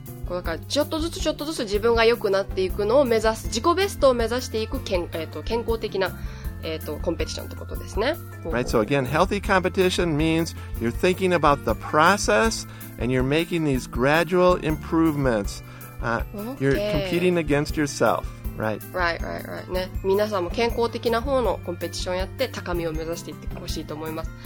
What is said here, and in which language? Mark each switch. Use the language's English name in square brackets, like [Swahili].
[Japanese] だからちょっとずつちょっとずつ自分が良くなっていくのを目指す、自己ベストを目指していく健康的な、コンペティションってことですね。 [English] Right, so again, healthy competition means you're thinking about the process and you're making these gradual improvements. You're competing against yourself, right? Right, right, right. [Japanese] ね、皆さんも健康的な方のコンペティションやって高みを目指していってほしいと思います。